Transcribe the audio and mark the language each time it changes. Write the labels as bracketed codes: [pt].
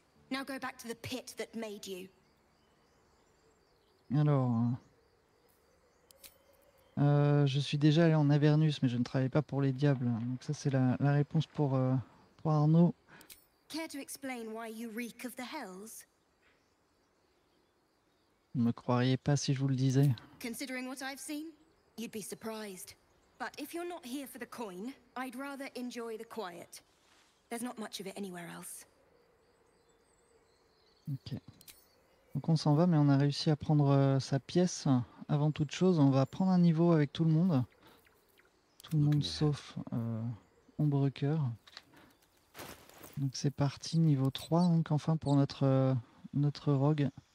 [en] Now go back to the pit that made you. [fr] Alors, je suis déjà allé en Avernus, mais je ne travaille pas pour les diables. Donc ça, c'est la réponse pour Arnaud. [en] Care to explain why you reek of the hells? [fr] Ne me croiriez pas si je vous le disais. [en] Considering what I've seen, you'd be surprised. But if you're not here for the coin, I'd rather enjoy the quiet. There's not much of it anywhere else. Ok. [fr] Donc on s'en va, mais on a réussi à prendre sa pièce. Avant toute chose, on va prendre un niveau avec tout le monde. Tout le monde sauf Ombrecoeur. Donc c'est parti, niveau 3, donc enfin pour notre rogue.